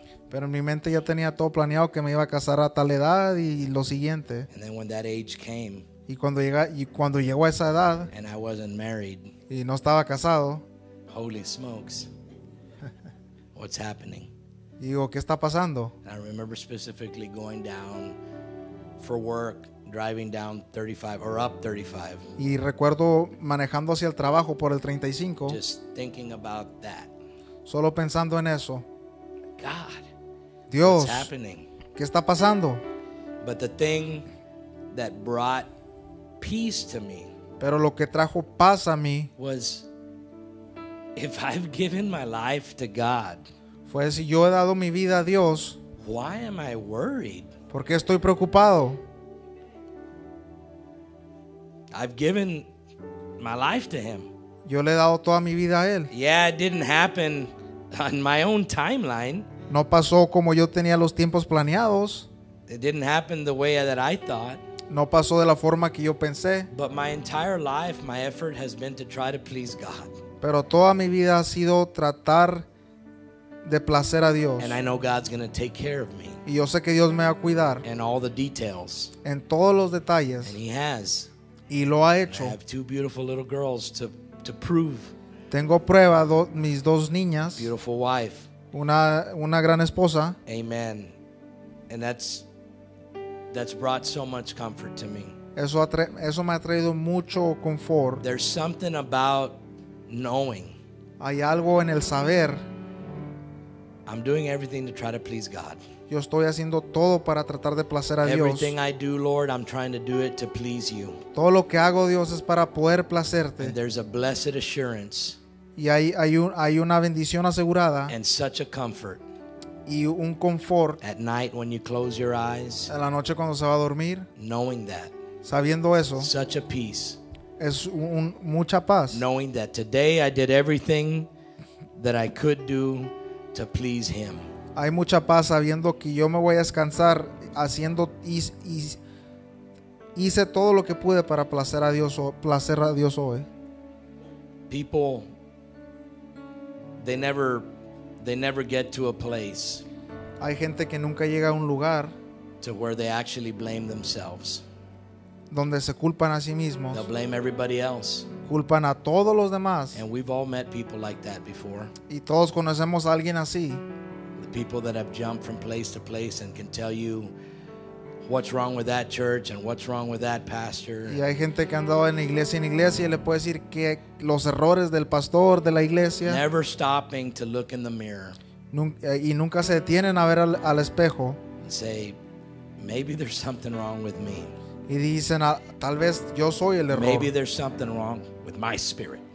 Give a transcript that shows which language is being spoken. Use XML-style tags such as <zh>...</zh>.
<es>Pero en mi mente ya tenía todo planeado que me iba a casar a tal edad y lo siguiente.</es> <en>And then when that age came,</en> <es>y cuando llegó a esa edad,</es> <en>and I wasn't married,</en> <es>y no estaba casado,</es> <en>holy smokes. What's happening?</en> <es>Digo, ¿qué está pasando?</es> <en>And I remember specifically going down for work, driving down 35 or up 35.</en> <es>Y recuerdo manejando hacia el trabajo por el 35.</es> <en>Just thinking about that.</en> <es>Solo pensando en eso.</es> <en>God.</en> <es>Dios.</es> <en>What's happening?</en> <es>¿Qué está pasando?</es> <en>But the thing that brought peace to me.</en> <es>Pero lo que trajo paz a mí</es> <en>was if I've given my life to God,</en> <es>pues si yo he dado mi vida a Dios,</es> <en>why am I worried?</en> <es>¿Por qué estoy preocupado?</es> <en>I've given my life to Him.</en> <es>Yo le he dado toda mi vida a Él.</es> <en>Yeah, it didn't happen on my own timeline.</en> <es>No pasó como yo tenía los tiempos planeados.</es> <en>It didn't happen the way that I thought.</en> <es>No pasó de la forma que yo pensé.</es> <en>But my entire life, my effort has been to try to please God.</en> <es>Pero toda mi vida ha sido tratar de placer a Dios.</es> <en>And I know God's going to take care of me.</en> <es>Y yo sé que Dios me va a cuidar.</es> <en>And all the details.</en> <es>En todos los detalles.</es> <en>And He has.</en> <es>Y lo ha hecho.</es> <en>And I have two beautiful little girls to prove.</en> <es>Tengo prueba, mis dos niñas.</es> <en>Beautiful wife.</en> <es>Una gran esposa.</es> <en>Amen. And that's brought so much comfort to me.</en> <es>Eso me ha traído mucho confort.</es> <en>There's something about knowing.</en> <es>Hay algo en el saber.</es> <en>I'm doing everything to try to please God.</en> <es>Yo estoy haciendo todo para tratar de placer a Dios.</es> <en>Everything I do, Lord, I'm trying to do it to please you.</en> <es>Todo lo que hago, Dios, es para poder placerte.</es> <en>And there's a blessed assurance.</en> <es>Y hay una bendición asegurada.</es> <en>And such a comfort.</en> <es>Y un confort.</es> <en>At night when you close your eyes.</en> <es>A la noche cuando se va a dormir.</es> <en>Knowing that.</en> <es>Sabiendo eso.</es> <en>Such a peace.</en> <es>Es mucha paz.</es> <en>Knowing that today I did everything that I could do to please Him.</en> <es>Hay mucha paz sabiendo que yo me voy a descansar haciendo y hice todo lo que pude para placer a Dios hoy.</es> <en>People, they never get to a place.</en> <es>Hay gente que nunca llega a un lugar</es> <en>to where they actually blame themselves.</en> <es>Donde se culpan a sí mismos.</es> <en>They'll blame everybody else.</en> <es>Culpan a todos los demás.</es> <en>And we've all met people like that before.</en> <es>Y todos conocemos a alguien así.</es> <en>The people that have jumped from place to place and can tell you what's wrong with that church and what's wrong with that pastor.</en> <es>Y hay gente que andaba en iglesia en iglesia y le puede decir que los errores del pastor de la iglesia.</es> <en>Never stopping to look in the mirror.</en> <es>Y nunca se detienen a ver al espejo.</es> <en>And say, maybe there's something wrong with me.</en> <es>Y dicen, tal vez yo soy el error.</es> <en>Maybe there's something wrong with my spirit.</en>